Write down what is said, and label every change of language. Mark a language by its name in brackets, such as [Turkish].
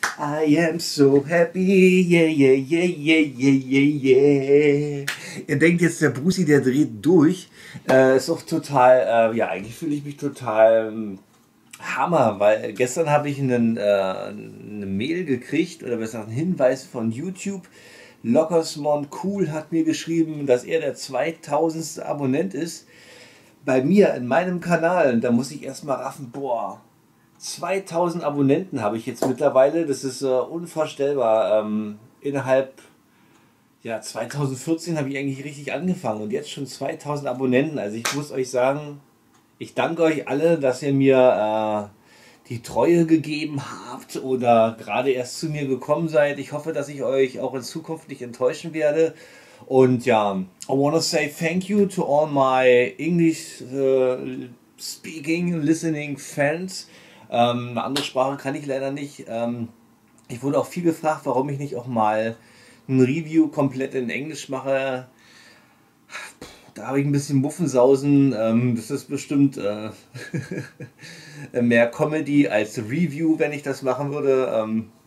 [English] I am so happy, yeah, yeah, yeah, yeah, yeah, yeah, yeah. [German] Ihr denkt jetzt, der Brusi, der dreht durch. Ist auch total, ja, eigentlich fühle ich mich total Hammer, weil gestern habe ich eine Mail gekriegt, oder besser gesagt, einen Hinweis von YouTube. Lockersmon Cool hat mir geschrieben, dass er der 2000. Abonnent ist bei mir in meinem Kanal. Und da muss ich erstmal raffen, boah. 2000 Abonnenten habe ich jetzt mittlerweile, das ist unvorstellbar. Innerhalb, ja, 2014 habe ich eigentlich richtig angefangen und jetzt schon 2000 Abonnenten. Also ich muss euch sagen, ich danke euch alle, dass ihr mir die Treue gegeben habt oder gerade erst zu mir gekommen seid. Ich hoffe, dass ich euch auch in Zukunft nicht enttäuschen werde. Und ja, [English] I want to say thank you to all my English speaking, listening fans. [German] Eine andere Sprache kann ich leider nicht. Ich wurde auch viel gefragt, warum ich nicht auch mal ein Review komplett in Englisch mache. Da habe ich ein bisschen Muffensausen. Das ist bestimmt mehr Comedy als Review, wenn ich das machen würde.